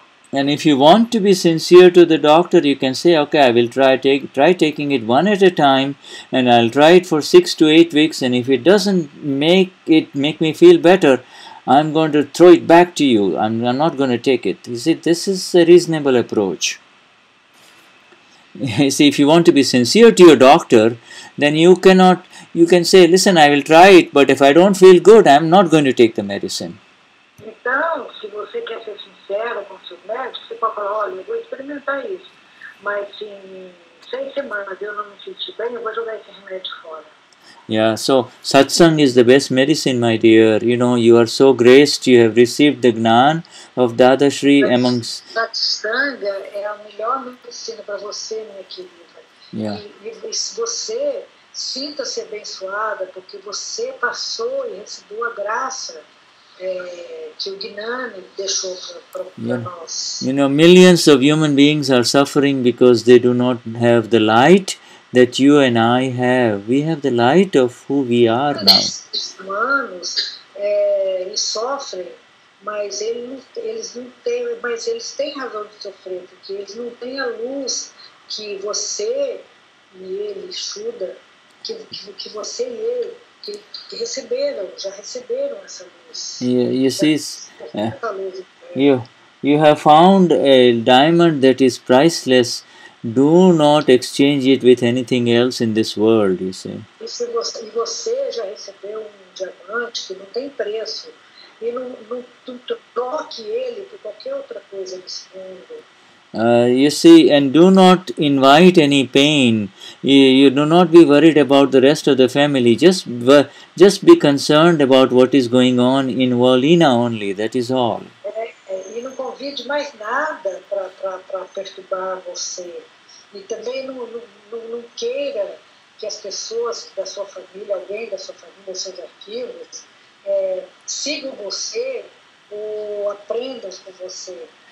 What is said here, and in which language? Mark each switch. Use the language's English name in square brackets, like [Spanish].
[English] And if you want to be sincere to the doctor, you can say, okay, I will try taking it one at a time, and I'll try it for 6 to 8 weeks, and if it doesn't make me feel better, I'm going to throw it back to you. I'm not going to take it. You see, this is a reasonable approach. You see, if you want to be sincere to your doctor, then you can say, listen, I will try it, but if I don't feel good, I'm not going to take the medicine. [Portuguese] Então, se você quer ser sincero com seus médicos, você pode falar, olha, eu vou experimentar isso, mas em 6 semanas eu não me senti bem, eu vou jogar esse remédio fora. [English] Yeah, so satsang is the best medicine, my dear. You know, you are so graced, you have received the gnana of Dada Shri amongst... Satsang is the best medicine for you, my dear. Yeah. And you feel to be blessed because you passed and received the grace that gnana left for us. You know, millions of human beings are suffering because they do not have the light that you and I have. We have the light of who we are now. [Portuguese] Humanos sofrem, mas eles não têm, mas eles têm razão de sofrer, porque eles não têm a luz que você e ele, Shuddha, que você e ele, que receberam, já receberam essa luz. [English] You see, you have found a diamond that is priceless. Do not exchange it with anything else in this world, you say. [Portuguese] E você já recebeu diamante que não tem preço. E não troque ele por qualquer outra coisa nesse mundo. [English] You see, and do not invite any pain. You do not be worried about the rest of the family. Just be concerned about what is going on in Valina only. That is all. [Portuguese] E não convide mais nada para perturbar você. E também não queira que as pessoas da sua família, alguém da sua família, seus arquivos, sigam você ou aprendam com você.